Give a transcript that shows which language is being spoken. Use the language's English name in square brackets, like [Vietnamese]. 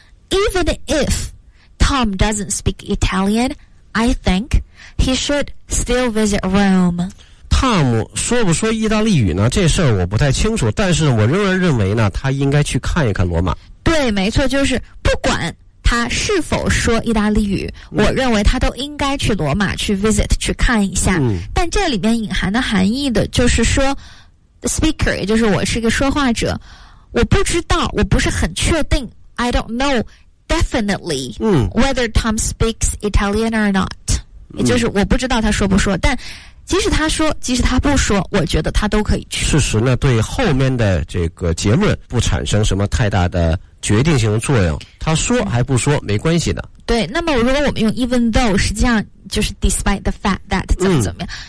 [English] Even if Tom doesn't speak Italian, I think he should still visit Rome. [Chinese] Tom 说不说意大利语呢？这事儿我不太清楚，但是我仍然认为呢，他应该去看一看罗马。对，没错，就是不管他是否说意大利语，我认为他都应该去罗马去 visit 去看一下。但这里面隐含的含义的就是说 ， the speaker，也就是我是一个说话者，我不知道，我不是很确定。 [English] I don't know definitely whether Tom speaks Italian or not. [Chinese] 也就是我不知道他说不说，但即使他说，即使他不说，我觉得他都可以去。事实呢，对后面的这个结论不产生什么太大的决定性的作用。他说还不说，没关系的。对，那么如果我们用 even though，实际上就是 despite the fact that 怎么怎么样。